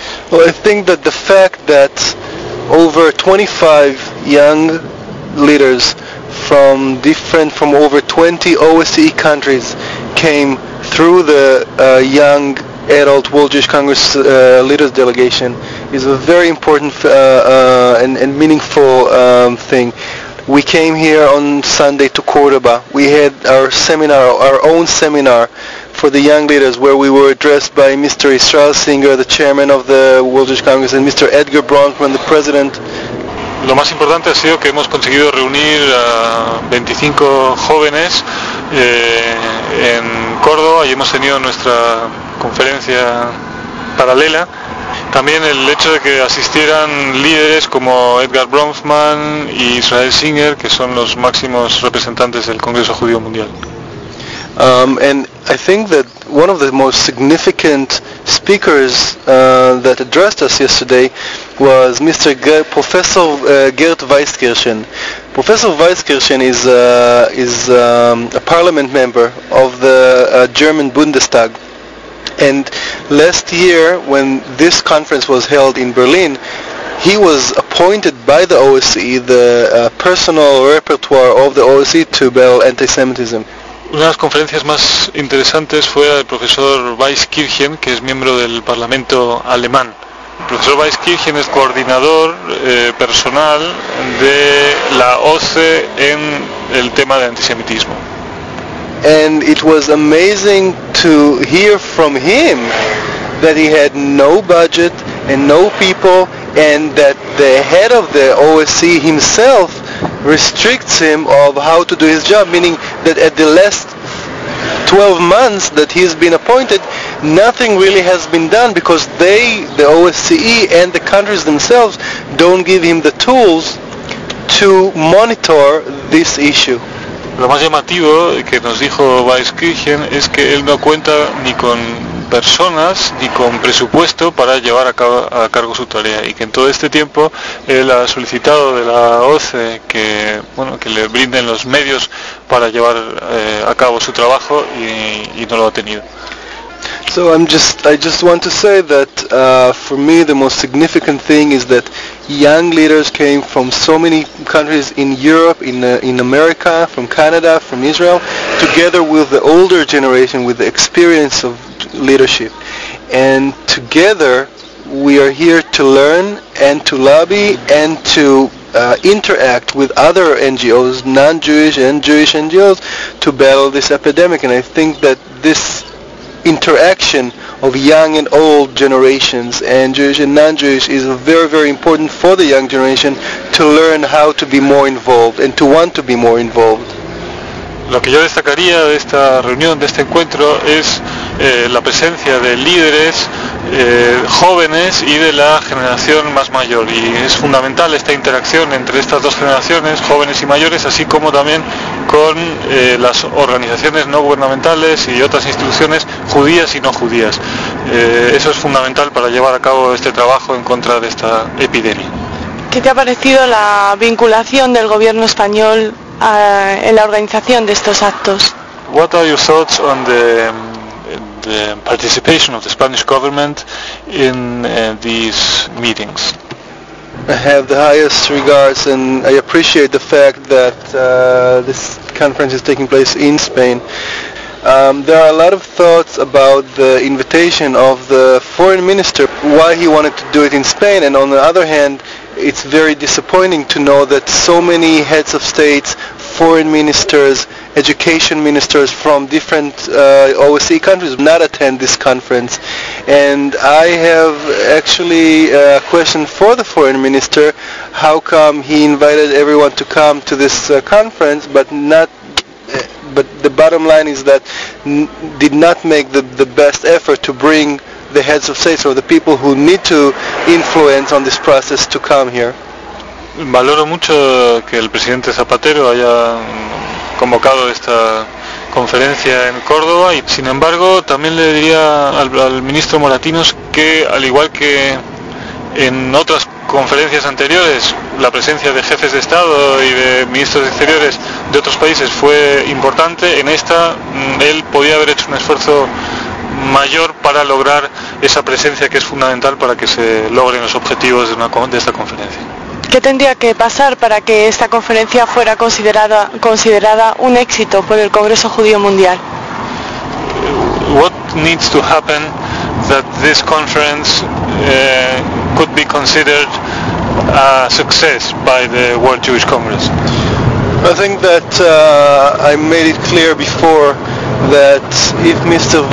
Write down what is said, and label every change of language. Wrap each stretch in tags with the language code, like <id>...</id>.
<en>Well, I think that the fact that over 25 young leaders from over 20 OSCE countries came through the young adult World Jewish Congress leaders delegation is a very important and meaningful thing. We came here on Sunday to Córdoba. We had our seminar, our own seminar for the young leaders, where we were addressed by Mr. Israel Singer, the chairman of the World Jewish Congress, and Mr. Edgar Bronfman, the president.</en> <es>Lo más importante ha sido que hemos conseguido reunir a 25 jóvenes en Córdoba y hemos tenido nuestra conferencia paralela. También el hecho de que asistieran líderes como Edgar Bronfman y Israel Singer, que son los máximos representantes del Congreso Judío Mundial.</es> <en>And I think that one of the most significant speakers that addressed us yesterday was Professor Gert Weisskirchen. Professor Weisskirchen is a parliament member of the German Bundestag. And last year, when this conference was held in Berlin, he was appointed by the OSCE, the personal repertoire of the OSCE, to battle anti-Semitism.</en> <es>Una de las conferencias más interesantes fue la del profesor Weisskirchen, que es miembro del Parlamento alemán. El profesor Weisskirchen es coordinador personal de la OSCE en el tema de antisemitismo.</es> <en>And it was amazing to hear from him that he had no budget and no people, and that the head of the OSCE himself restricts him of how to do his job, meaning that at the last 12 months that he's been appointed, nothing really has been done because they, the OSCE and the countries themselves, don't give him the tools to monitor this issue.</en> <es>Lo más llamativo que nos dijo Weisskirchen es que él no cuenta ni con personas ni con presupuesto para llevar a cargo su tarea, y que en todo este tiempo él ha solicitado de la OSCE que le brinden los medios para llevar a cabo su trabajo y no lo ha tenido.</es> <en>So I just want to say that for me the most significant thing is that young leaders came from so many countries in Europe, in America, from Canada, from Israel, together with the older generation with the experience of leadership, and together we are here to learn and to lobby and to interact with other NGOs, non-Jewish and Jewish NGOs, to battle this epidemic. And I think that this interaction of young and old generations, and Jewish and non-Jewish is very, very important for the young generation to learn how to be more involved and to want to be more involved.</en> <es>Lo que yo destacaría de esta reunión, de este encuentro, es la presencia de líderes jóvenes y de la generación más mayor. Y es fundamental esta interacción entre estas dos generaciones, jóvenes y mayores, así como también con las organizaciones no gubernamentales y otras instituciones judías y no judías. Eso es fundamental para llevar a cabo este trabajo en contra de esta epidemia. ¿Qué te ha parecido la vinculación del gobierno español en la organización de estos actos?</es> <en>What are your thoughts on the participation of the Spanish government in these meetings? I have the highest regards and I appreciate the fact that this conference is taking place in Spain. There are a lot of thoughts about the invitation of the foreign minister, why he wanted to do it in Spain, and on the other hand, it's very disappointing to know that so many heads of states, foreign ministers, education ministers from different OSCE countries not attend this conference. And I have actually a question for the foreign minister: how come he invited everyone to come to this conference, but the bottom line is that did not make the best effort to bring the heads of states or the people who need to influence on this process to come here.</en> <es>Valoro mucho que el presidente Zapatero haya convocado esta conferencia en Córdoba y, sin embargo, también le diría al ministro Moratinos que, al igual que en otras conferencias anteriores, la presencia de jefes de Estado y de ministros exteriores de otros países fue importante, en esta él podía haber hecho un esfuerzo mayor para lograr esa presencia que es fundamental para que se logren los objetivos de esta conferencia. ¿Qué tendría que pasar para que esta conferencia fuera considerada un éxito por el Congreso Judío Mundial?</es> <en>What needs to happen that this conference could be considered a success by the World Jewish Congress? I think that I made it clear before that if Mr.</en>